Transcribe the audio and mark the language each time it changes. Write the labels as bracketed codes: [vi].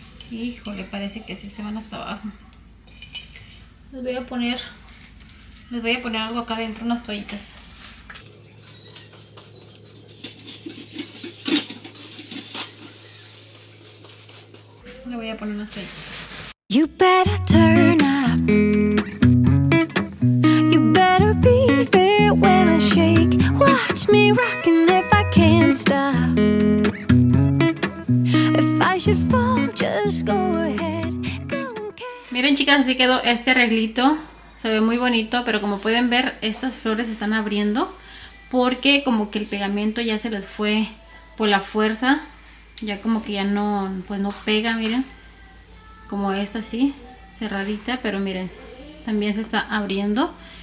[es] Híjole, parece que sí se van hasta abajo. Les voy a poner... les voy a poner algo acá adentro, unas toallitas. Le voy a poner unas toallitas. [en] You better turn up. You better be there when I shake. Watch me rocking if I can't stop. If I should fall, just go ahead. [es] Miren, chicas, así quedó este arreglito. Se ve muy bonito, pero como pueden ver, estas flores están abriendo porque como que el pegamento ya se les fue por la fuerza. Ya como que ya no, pues no pega, miren. Como esta así, cerradita, pero miren, también se está abriendo.